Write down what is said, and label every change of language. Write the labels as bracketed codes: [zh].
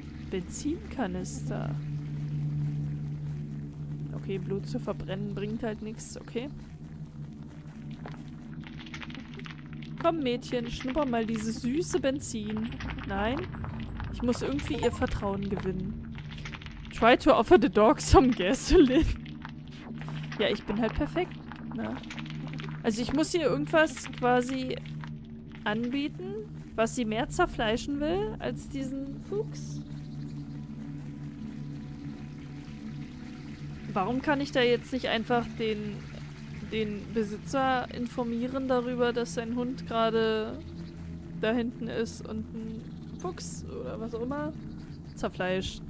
[de] Benzinkanister. Okay, Blut zu verbrennen bringt halt nichts. Okay. Komm, Mädchen, schnupper mal dieses süße Benzin. Nein? Ich muss irgendwie ihr Vertrauen gewinnen. [en] Try to offer the dog some gasoline. [de] Ja, ich bin halt perfekt. Ne? Also ich muss ihr irgendwas quasi anbieten, was sie mehr zerfleischen will als diesen Fuchs. Warum kann ich da jetzt nicht einfach den Besitzer informieren darüber, dass sein Hund gerade da hinten ist und ein Fuchs oder was auch immer zerfleischt.